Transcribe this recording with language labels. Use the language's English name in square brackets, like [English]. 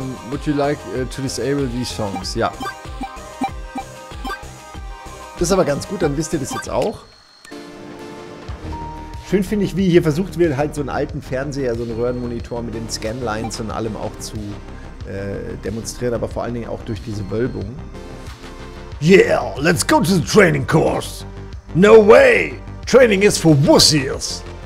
[English] Would you like to disable these songs? [German] Ja. Das ist aber ganz gut, dann wisst ihr das jetzt auch. Schön finde ich, wie hier versucht wird, halt so einen alten Fernseher, so einen Röhrenmonitor mit den Scanlines und allem auch zu demonstrieren, aber vor allen Dingen auch durch diese Wölbung. [English] Yeah, let's go to the training course. No way, training is for wussies.